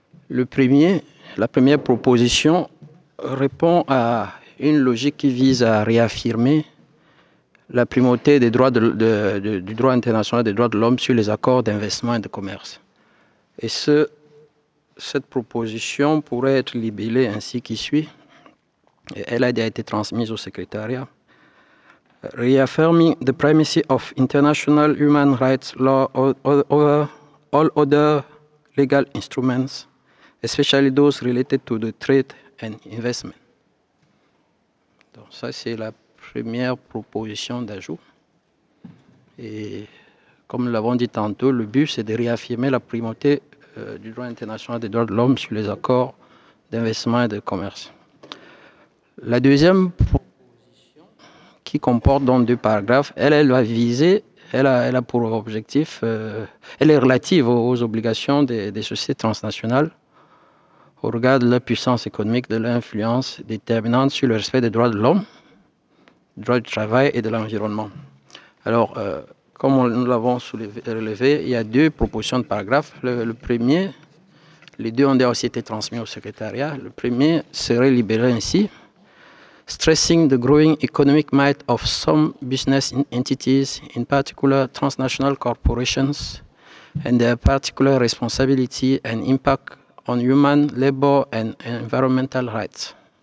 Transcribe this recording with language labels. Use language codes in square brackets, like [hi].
[fr] La première proposition répond à une logique qui vise à réaffirmer la primauté des droits du droit international des droits de l'homme sur les accords d'investissement et de commerce. Cette proposition pourrait être libellée ainsi qui suit. Elle a déjà été transmise au secrétariat. [en] Reaffirming the primacy of international human rights law over all other legal instruments, especially those related to the trade and investment. [fr] Donc ça, c'est la première proposition d'ajout. Et comme nous l'avons dit tantôt, le but, c'est de réaffirmer la primauté du droit international des droits de l'homme sur les accords d'investissement et de commerce. La deuxième proposition, qui comporte donc deux paragraphes, elle va viser, elle a pour objectif, elle est relative aux obligations des sociétés transnationales au regard de leur puissance économique, de leur influence déterminante sur le respect des droits de l'homme, droits du travail et de l'environnement. Alors, comme nous l'avons relevé, il y a deux propositions de paragraphe. Le premier, les deux ont déjà aussi été transmis au secrétariat. Le premier serait libellé ainsi: [en] Stressing the growing economic might of some business entities, in particular transnational corporations, and their particular responsibility and impact on human, labor and environmental rights.